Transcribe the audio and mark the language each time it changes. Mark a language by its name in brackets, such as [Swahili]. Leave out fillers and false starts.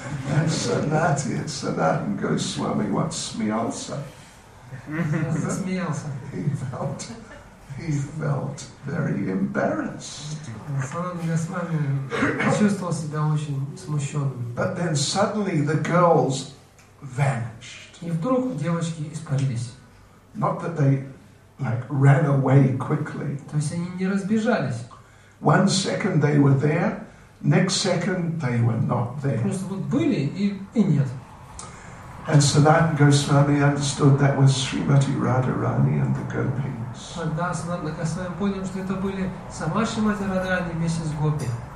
[English] And Sanatan Goswami, what smiался? [Russian] Засмеялся. [English] He felt very embarrassed. [Russian] Санатан Госвами почувствовал себя очень смущенным. [English] But then suddenly the girls vanished. [Russian] И вдруг девочки испарились. [English] Not that they, like, ran away quickly. [Russian] То есть они не разбежались. [English] One second they were there, next second they were not there. [Russian] Просто вот были и нет. [English] And Sanatana Goswami understood that was Srimati Radharani and the Gopis. [Russian] Тогда Санатана Госвами понял, что это были сама Шримати Радхарани вместе с Гопи.